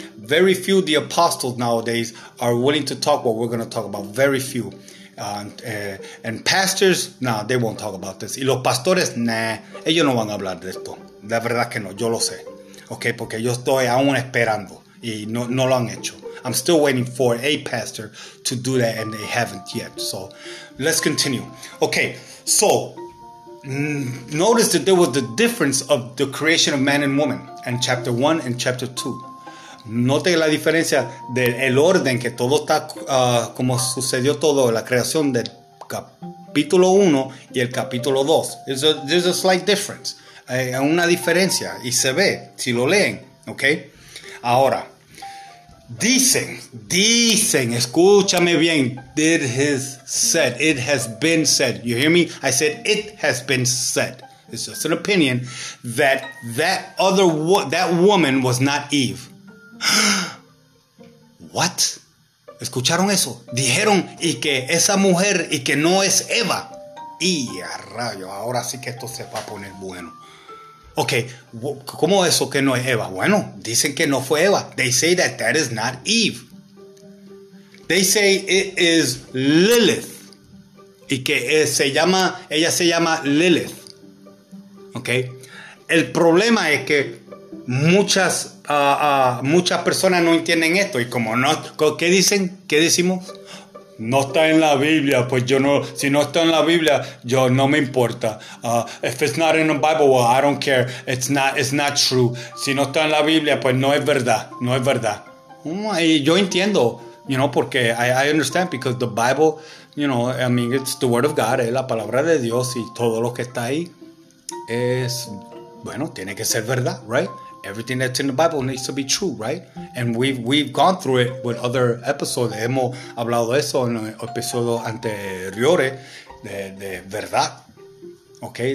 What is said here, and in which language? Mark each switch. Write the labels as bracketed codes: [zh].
[en] Very few the apostles nowadays are willing to talk what we're going to talk about. Very few. And pastors, no, they won't talk about this. [es] Y los pastores, nah, ellos no van a hablar de esto. La verdad que no, yo lo sé. Okay, porque yo estoy aún esperando y no lo han hecho. [en] I'm still waiting for a pastor to do that and they haven't yet. So, let's continue. Okay, so, notice that there was the difference of the creation of man and woman in chapter 1 and chapter 2. [es] Note la diferencia del orden que todo está, como sucedió todo, la creación del capítulo 1 y el capítulo 2. [en] There's a slight difference. [es] Una diferencia y se ve si lo leen. ¿Ok? Ahora, dicen, escúchame bien. [en] It has said, it has been said. You hear me? I said, it has been said. It's just an opinion that that woman was not Eve. [es] What? ¿Escucharon eso? Dijeron y que esa mujer y que no es Eva. Y a rayo, ahora sí que esto se va a poner bueno. Ok, ¿cómo eso que no es Eva? Bueno, dicen que no fue Eva. [en] They say that that is not Eve. They say it is Lilith. [es] Y que ella se llama Lilith. Ok, el problema es que muchas personas no entienden esto. Y como no, ¿qué dicen? ¿Qué decimos? No está en la Biblia, pues yo no, si no está en la Biblia, yo no me importa. [en] If it's not in the Bible, well, I don't care. It's not true. [es] Si no está en la Biblia, pues no es verdad, no es verdad. Y yo entiendo, [en] you know, [es] porque [en] I understand, because the Bible, you know, I mean, it's the word of God, [es] es la palabra de Dios y todo lo que está ahí es, bueno, tiene que ser verdad, right? [en] Everything that's in the Bible needs to be true, right? And we've gone through it with other episodes. [es] Hemos hablado eso en episodios anteriores de verdad, okay?